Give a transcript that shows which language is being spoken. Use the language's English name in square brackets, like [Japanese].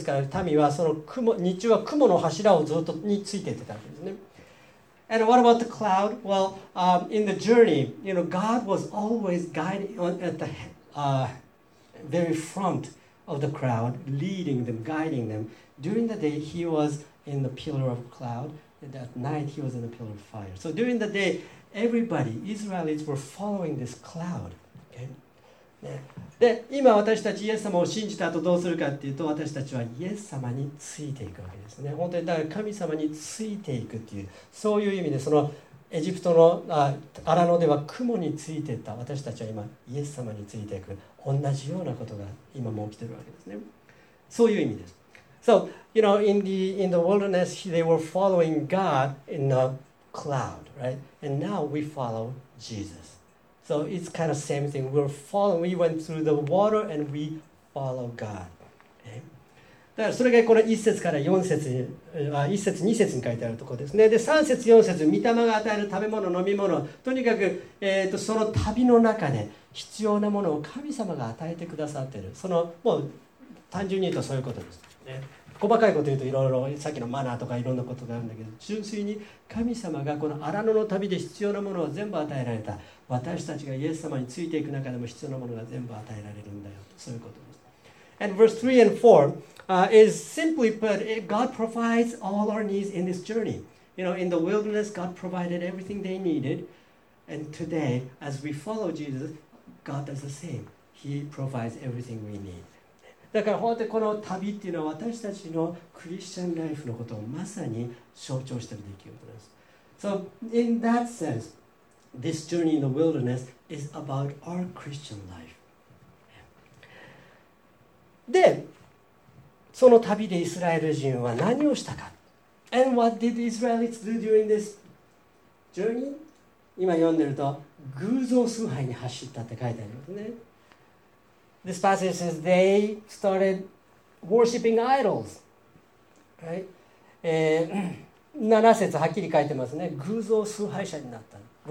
[Japanese] ですから民はその雲、日中は雲の柱をずっとについていってたわけですね。 [English] And what about the cloud? Well, in the journey, you know, God was always guiding at the very front of the crowd, leading them, guiding them. During the day, he was in the pillar of cloud. And at night, he was in the pillar of fire. So during the day, everybody, Israelites, were following this cloud. Okay? [Japanese] で、今私たちイエス様を信じた後どうするかっていうと、私たちはイエス様についていくわけですね。本当にだから神様についていくっていう、そういう意味でそのエジプトの荒野では雲についていった、私たちは今イエス様についていく、同じようなことが今も起きてるわけですね。そういう意味です。 [English] So, you know, in the wilderness they were following God in the cloud, right? And now we follow JesusSo it's kind of same thing. We're following. We went through the water and we follow God.、 Okay? [Japanese] だからそれがこの1節から4節、1節2節に書いてあるところですね。で、3節4節、御霊が与える食べ物、飲み物、とにかく、その旅の中で必要なものを神様が与えてくださっている。その、もう単純に言うとそういうことです。細かいこと言うといろいろさっきのマナーとかいろんなことがあるんだけど、純粋に神様がこの荒野の旅で必要なものを全部与えられた、私たちがイエス様についていく中でも必要なものが全部与えられるんだよと、そういうことです。 [English] And verse 3 and 4、is simply put, God provides all our needs in this journey. You know, in the wilderness, God provided everything they needed. And today, as we follow Jesus, God does the same. He provides everything we need. [Japanese] だから本当にこの旅っていうのは私たちのクリスチャンライフのことをまさに象徴している出来事です。 [English] So in that sense, this journey in the wilderness is about our Christian life. [Japanese] で、その旅でイスラエル人は何をしたか。 [English] And what did the Israelites do during this journey? [Japanese] 今読んでると、偶像崇拝に走ったって書いてありますね。 [English] This passage says they started worshiping idols. Right? [Japanese] 7節はっきり書いてますね。偶像崇拝者になった。